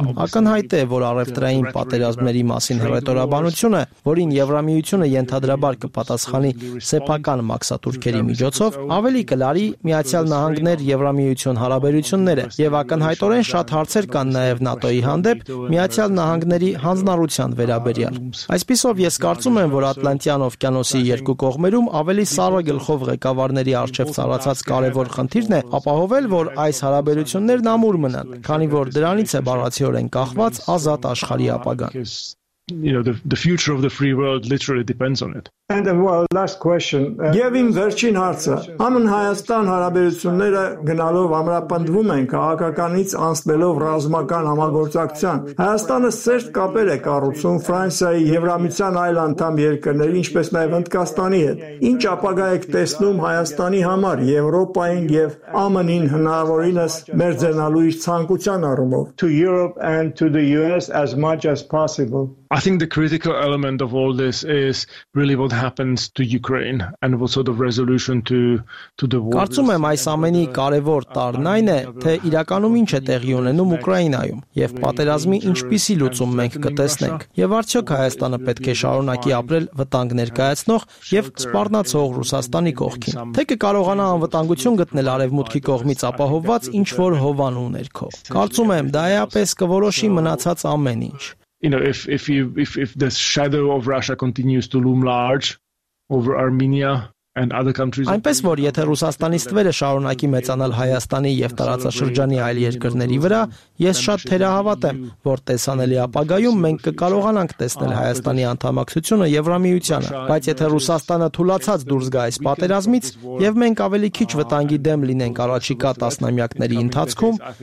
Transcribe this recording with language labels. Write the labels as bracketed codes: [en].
[hy] Ակնհայտ է, որ առևտրային պատերազմների մասին հրետորաբանությունը, որին Եվրամիությունը ենթադրաբար կպատասխանի սեփական մաքսատուրքերի միջոցով, ավելի կլարի Միացյալ Նահանգներ Եվրամիություն հարաբերությունները, եւ ակնհայտորեն շատ հարցեր կան նաեւ ՆԱՏՕ-ի հանդեպ Միացյալ Նահանգների հանձնառության վերաբերյալ։ Այսպիսով ես կարծում եմ, որ Ատլանտյան օվկիանոսի երկու կողմերում ավելի սառը գլխով ղեկավարների առջև ծառացած կարևոր խնդիրն է ապահովել, որ այս հարաբերություններն ամուր մնան, քանի որ դրանից է բառացիորեն կախված ազատ աշխարհի ապագան։ [en] You know, the future of the free world literally depends on it. And well, last question. [hy] Եվ իմ վերջին հարցը. ԱՄՆ Հայաստան հարաբերությունները գնալով ամրապնդվում են քաղաքականից անցնելով ռազմական համագործակցության։ Հայաստանը սերտ կապեր է կառուցում Ֆրանսիայի, Եվրամիության այլ անդամ երկրների, ինչպես նաև Հնդկաստանի հետ։ Ինչ ապագա եք տեսնում Հայաստանի համար Եվրոպային եւ ԱՄՆ-ին հնարավորինս մերձենալու իր ցանկության առումով? [en] To Europe and to the US as much as possible. I think the critical element of all this is really what happens to Ukraine and what sort of resolution to the war. [hy] Կարծում եմ, այս ամենի կարևոր տարն այն է, թե իրականում ինչ է տեղի ունենում Ուկրաինայում եւ պատերազմի ինչպիսի լուծում մենք կտեսնենք եւ արդյոք Հայաստանը պետք է շարունակի ապրել վտանգ ներկայացնող եւ սպառնացող Ռուսաստանի կողքին, թե կարողանա անվտանգություն գտնել արևմուտքի կողմից ապահովված ինչ որ հովանու ներքո։ Կարծում եմ, դա էապես կորոշի մնացած ամեն ինչ։ [en] You know, if the shadow of Russia continues to loom large over Armenia, [hy] Այնպես որ, եթե Ռուսաստանի ստվերը շարունակի մեծանալ Հայաստանի և տարածաշրջանի այլ երկրների վրա, ես շատ թերահավատ եմ, որ տեսանելի ապագայում մենք կկարողանանք տեսնել Հայաստանի անդամակցությունը Եվրամիությանը, բայց եթե Ռուսաստանը թուլացած դուրս գա այս պատերազմից, և մենք ավելի քիչ վտանգի դեմ լինենք առաջիկա տասնամյակների ընթացքում,